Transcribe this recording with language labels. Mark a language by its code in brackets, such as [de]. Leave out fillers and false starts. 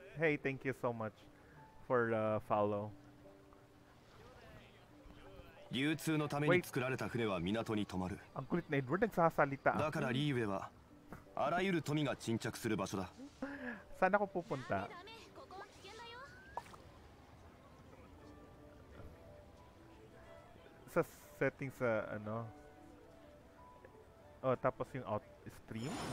[en] Hey, thank you so much for the follow. [ja] 流通のために作られた船は港に停まる. [tl] Ang kulit na Edward, nagsasalita. [ja] Dakara Liyue wa arayuru tomi ga chinchaku suru basho da. [tl] Saan ako pupunta? Sa settings sa ano? Oh, tapos yung out stream.